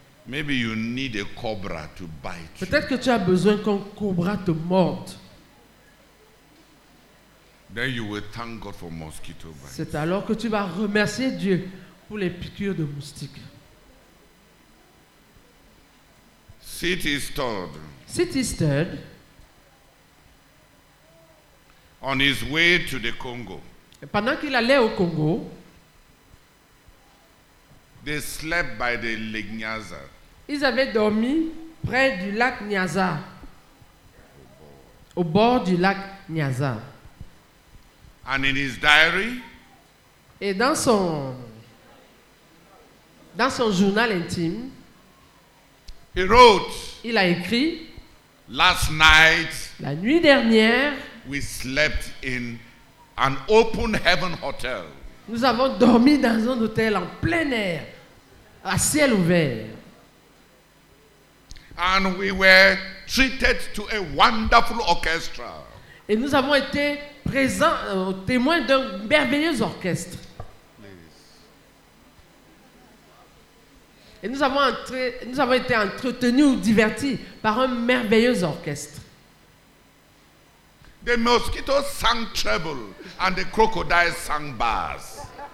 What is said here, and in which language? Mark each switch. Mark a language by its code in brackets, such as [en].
[en] Maybe you need a cobra to bite you. [fr] Peut-être que tu as besoin qu'un cobra te morde. [en] Then you will thank God for mosquito bites. [fr] C'est alors que tu vas remercier Dieu pour les piqûres de moustiques. Sit is stirred. [en] On his way to the Congo. [fr] Et pendant qu'il allait au Congo, [en] they slept by the Lake Nyasa. [fr] Ils avaient dormi près du lac Nyasa. Au bord du lac Nyasa. [en] And in his diary, [fr] et dans son journal intime, [en] he wrote, [fr] il a écrit, [en] last night, [fr] la nuit dernière, [en] we slept in an open heaven hotel. [fr] Nous avons dormi dans un hôtel en plein air, à ciel ouvert. [en] And we were treated to a wonderful orchestra. [fr] Et nous avons été présent au témoin d'un merveilleux orchestre. [en] Please. [fr] Et nous avons été entretenus ou divertis par un merveilleux orchestre. [en] The mosquitoes sang treble and the crocodiles sang bass.